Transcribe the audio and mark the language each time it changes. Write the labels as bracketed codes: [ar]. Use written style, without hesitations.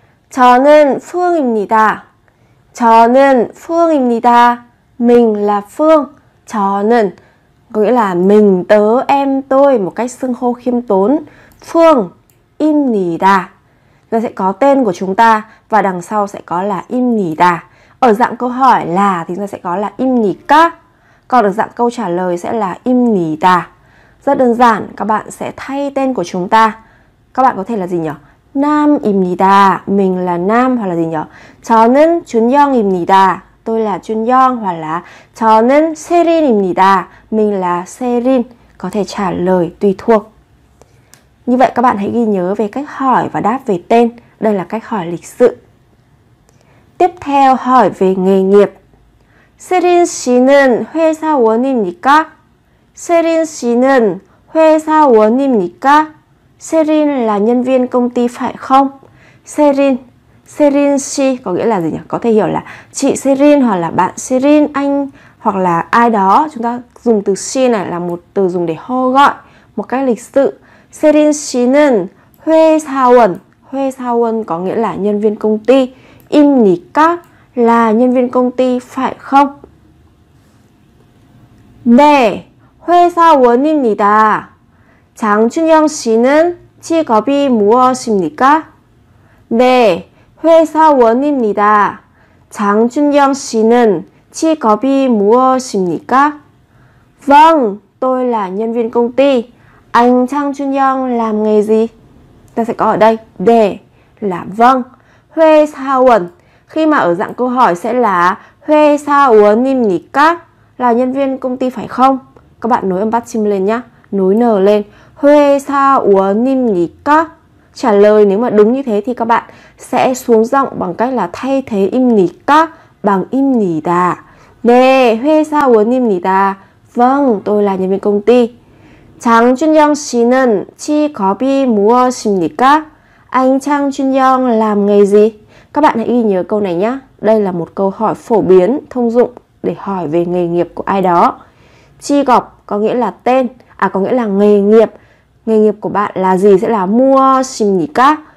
[ko] 저는 Phương입니다. 저는 Phương입니다. [vi] Mình là Phương. 저는 có nghĩa là mình, tớ, em, tôi, một cách xưng hô khiêm tốn. Phương입니다. Nó sẽ có tên của chúng ta và đằng sau sẽ có là 입니다. Ở dạng câu hỏi là thì nó sẽ có là 입니까? Còn ở dạng câu trả lời sẽ là 입니다. Rất đơn giản, các bạn sẽ thay tên của chúng ta. Các bạn có thể là gì nhỉ? [ko] 남입니다. [vi] Mình là nam hoặc là gì nhỉ? [ko] 저는 준영입니다. [vi] Tôi là 준영 hoặc là [ko] 저는 세린입니다. [vi] Mình là 세린. Có thể trả lời tùy thuộc. Như vậy các bạn hãy ghi nhớ về cách hỏi và đáp về tên. Đây là cách hỏi lịch sự. Tiếp theo hỏi về nghề nghiệp. [ko] 세린 씨는 회사원입니까? 세린 씨는 회사원입니까? [vi] Serin là nhân viên công ty phải không? Serin, Serin 씨 có nghĩa là gì nhỉ? Có thể hiểu là chị Serin hoặc là bạn Serin, anh hoặc là ai đó. Chúng ta dùng từ 씨 này là một từ dùng để hô gọi một cách lịch sự. [ko] Serin 씨는 회사원. [vi] 회사원 có nghĩa là nhân viên công ty. 입니까 là nhân viên công ty phải không? [ko] 네. 회사원입니다. 장춘영 씨는 직업이 무엇입니까? 네, 회사원입니다. 장춘영 씨는 직업이 무엇입니까? [vi] Vâng, tôi là nhân viên công ty. Anh 장춘영 làm nghề gì? Ta sẽ có ở đây. 네 là vâng. 회사원 khi mà ở dạng câu hỏi sẽ là 회사원입니까? Là nhân viên công ty phải không? Các bạn nối âm 받침 lên nhé, nối n lên. [ko] 회사원입니까? [vi] Trả lời nếu mà đúng như thế thì các bạn sẽ xuống giọng bằng cách là thay thế 입니까 bằng 입니다. [ko] 네, 회사원입니다. [vi] Vâng, tôi là nhân viên công ty. [ko] 장준영 씨는 직업이 무엇입니까? [vi] Anh 장준영 làm nghề gì? Các bạn hãy ghi nhớ câu này nhé. Đây là một câu hỏi phổ biến, thông dụng để hỏi về nghề nghiệp của ai đó. 직업 có nghĩa là tên, có nghĩa là nghề nghiệp. Nghề nghiệp của bạn là gì sẽ là 무엇입니까?